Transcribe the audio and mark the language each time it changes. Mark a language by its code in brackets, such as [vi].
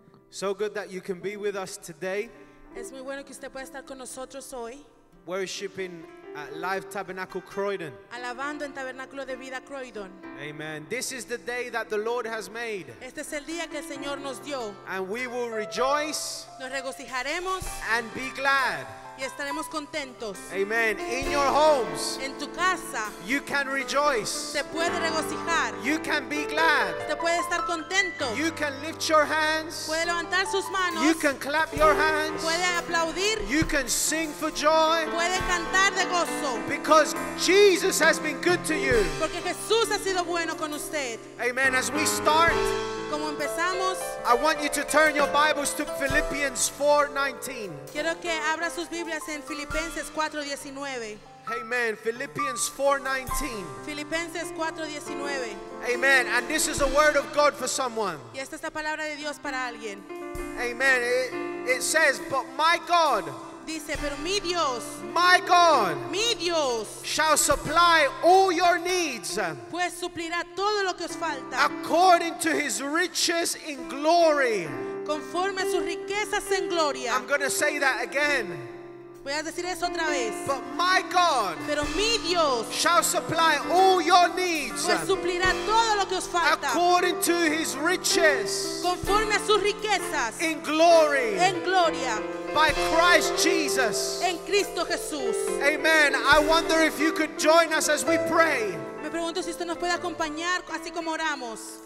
[en] So good that you can be with us today. [es] Es muy bueno que usted pueda estar con nosotros hoy. [en] Worshiping at Live Tabernacle Croydon. [es] Alabando en Tabernáculo de Vida Croydon. [en] Amen. This is the day that the Lord has made. [es] Este es el día que el Señor nos dio. [en] And we will rejoice. [es] Nos regocijaremos. [en] And be glad. [es] Y estaremos contentos. [en] Amen. In your homes. [es] En tu casa. [en] You can rejoice. [es] Se puede regocijar. [en] You can be glad. [es] Te puede estar contento. [en] You can lift your hands. [es] Puede levantar sus manos. [en] You can clap your hands. [es] Puede aplaudir. [en] You can sing for joy. [es] Puede cantar de gozo. [en] Because Jesus has been good to you. [es] Porque Jesús ha sido bueno con usted. [en] Amen. As we start, [es] como empezamos, [en] I want you to turn your Bibles to Philippians 4:19. [es] Quiero que abra sus Biblias en Filipenses 4:19. [en] Amen. Philippians 4:19. [es] Filipenses 4:19. [en] Amen. And this is a word of God for someone. [es] Y esta es la palabra de Dios para alguien. [en] Amen. It says, "But my God," [es] dice, "pero mi Dios," [en] "my God," [es] "mi Dios," [en] "shall supply all your needs," [es] "pues suplirá todo lo que os falta," [en] "according to his riches in glory," [es] "conforme a sus riquezas en gloria." [en] I'm going to say that again. [es] Voy a decir eso otra vez. [en] "But my God," [es] "pero mi Dios," [en] "shall supply all your needs," [es] "pues suplirá todo lo que os falta," [en] "according to his riches," [es] "conforme a sus riquezas," [en] "in glory," [es] "en gloria," [en] "by Christ Jesus," [es] "en Cristo Jesús." [en] Amen. I wonder if you could join us as we pray. [es] Me pregunto si usted nos puede acompañar así como oramos.